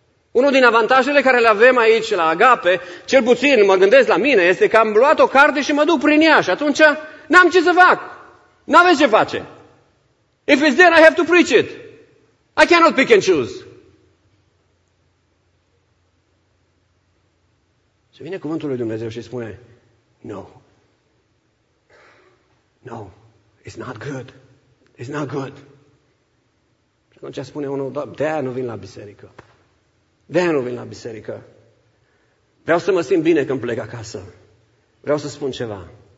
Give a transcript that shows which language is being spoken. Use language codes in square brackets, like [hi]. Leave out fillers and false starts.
[ro] Unul din avantajele care le avem aici la Agape, cel puțin mă gândesc la mine, este că am luat o carte și mă duc prin ea și atunci n-am ce să fac. N-aveți ce face. [en] If it's there, I have to preach it. I cannot pick and choose. [ro] Și vine cuvântul lui Dumnezeu și spune, no. [en] No, it's not good. [ro] It's not good. Și atunci spune unul, de-aia nu vin la biserică. De-aia nu vin la biserică. Vreau să mă simt bine când plec acasă. Vreau să spun ceva.